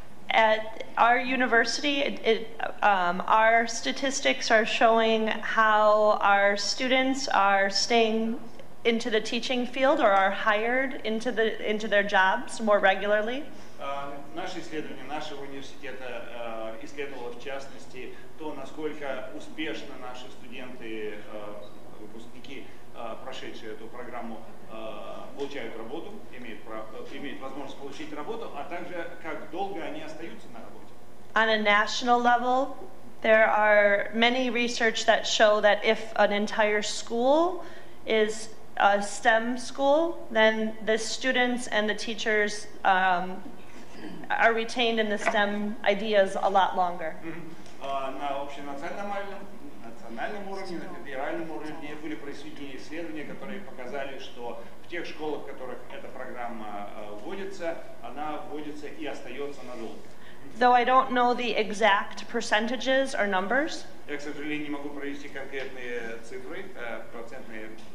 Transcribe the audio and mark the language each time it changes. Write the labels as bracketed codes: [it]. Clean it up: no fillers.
[en] At our university, our statistics are showing how our students are staying into the teaching field or are hired into their jobs more regularly. [ru] Наше исследование нашего университета исследовало в частности то, насколько успешно наши студенты, выпускники, прошедшие эту программу, получают работу, имеют возможность получить работу, а также как долго они остаются на работе. [en] On a national level, there are many research that show that if an entire school is a STEM school, then the students and the teachers are retained in the STEM ideas a lot longer. [ru] На общенациональном уровне, на федеральном уровне были произведены исследования, которые показали, что в тех школах, в которых эта программа вводится, она вводится и остается надолго. [en] Though I don't know the exact percentages or numbers. [ru] Я, к сожалению, не могу привести конкретные цифры, процентные.